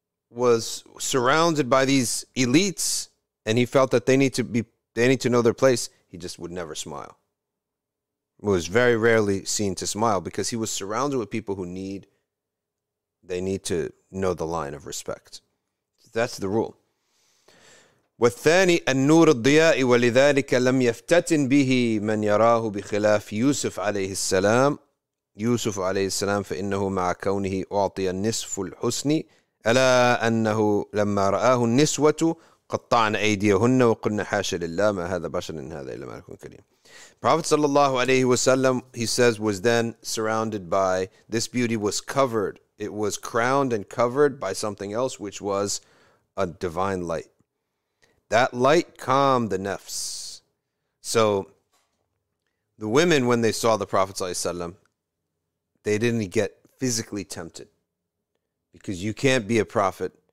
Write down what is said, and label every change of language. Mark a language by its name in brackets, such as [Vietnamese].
[English] was surrounded by these elites and he felt that they need to know their place, he just would never smile. He was very rarely seen to smile because he was surrounded with people who need to know the line of respect. That's the rule. [Arabic] وَالثَّانِي النُّورُ الضِّيَاءِ وَلِذَلِكَ لَمْ يَفْتَتِنْ بِهِ مَنْ يَرَاهُ بِخِلَافِ يُوسُفَ عَلَيْهِ السَّلَامِ يوسف عليه السلام فإنه مع كونه أعطي النصف الحسن ألا أنه لما رآه النسوة قطعن أيديهن وقلن حاشا لله ما هذا بشر إن هذا إلا ملك كريم. [English] Prophet sallallahu alayhi wasallam, he says, was then surrounded by, this beauty was covered, it was crowned and covered by something else, which was a divine light. That light calmed the nafs. So the women, when they saw the Prophet sallallahu alayhi wasallam, they didn't get physically tempted, because you can't be a prophet.